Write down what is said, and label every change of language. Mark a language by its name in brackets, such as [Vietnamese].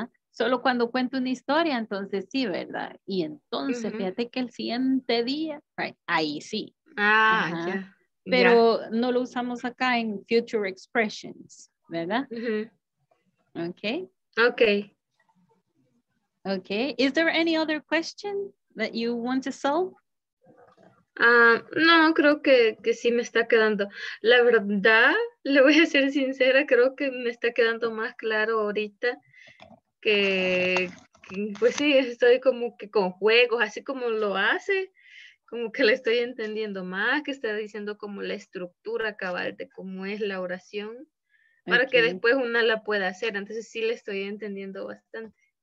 [Spanish] Solo cuando cuento una historia, entonces sí, ¿verdad? Y entonces, fíjate que el siguiente día, right, ahí sí. Pero no lo usamos acá en [English] future expressions, [Spanish] ¿verdad? [English] Okay. Is there any other question that you want to solve? [Spanish] No, creo que sí me está quedando. La verdad, le voy a ser sincera, creo que me está quedando más claro ahorita. Que pues sí, estoy como que con juegos, así como lo hace, como que le estoy entendiendo más, que está diciendo como la estructura cabal de cómo es la oración, para que después una la pueda hacer, entonces sí le estoy entendiendo bastante.